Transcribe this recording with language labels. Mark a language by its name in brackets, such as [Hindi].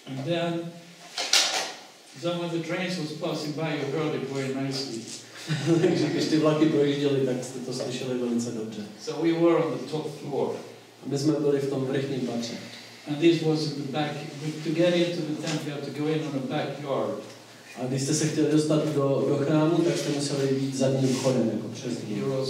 [English] And then some of the trains was passing by, you heard it very nicely. [Czech] Takže když ty vlaky projížděly, tak jste to slyšeli velice dobře. [English] So we were on the top floor. [Czech] A my jsme byli v tom vrchním patře. [English] And this was in the back. To get into the temple, you had to go in on a backyard. [Czech] A když jste se chtěli dostat do chrámu, tak jste museli jít zadním vchodem, jako přes dní.